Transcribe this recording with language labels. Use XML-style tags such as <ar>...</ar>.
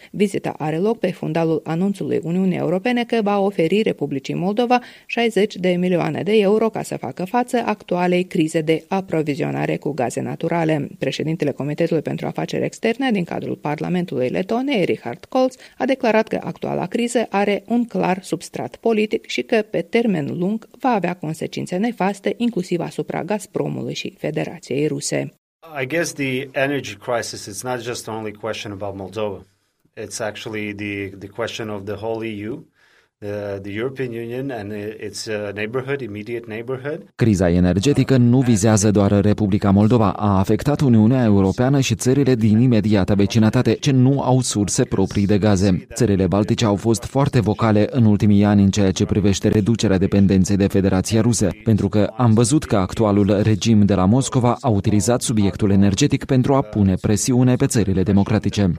<ro>Vizita are loc pe fundalul anunțului Uniunii Europene că va oferi Republicii Moldova 60 de milioane de euro ca să facă față actualei crize de aprovizionare cu gaze naturale. Președintele comitetului pentru afaceri externe din cadrul parlamentului letone, Richard Colts, a declarat că actuala criză are un clar substrat politic și că pe termen lung va avea consecințe nefaste inclusiv asupra Gazpromului și Federației Ruse.</ro> <en>I guess the energy crisis is not just only question about Moldova. It's actually the question of the whole EU. The European Union and its neighborhood, immediate neighborhood.</en> <ro>Criza energetică nu vizează doar Republica Moldova, a afectat Uniunea Europeană și țările din imediata vecinătate, ce nu au surse proprii de gaze. Țările baltice au fost foarte vocale în ultimii ani în ceea ce privește reducerea dependenței de Federația Rusă, pentru că am văzut că actualul regim de la Moscova a utilizat subiectul energetic pentru a pune presiune pe țările democratice.</ro>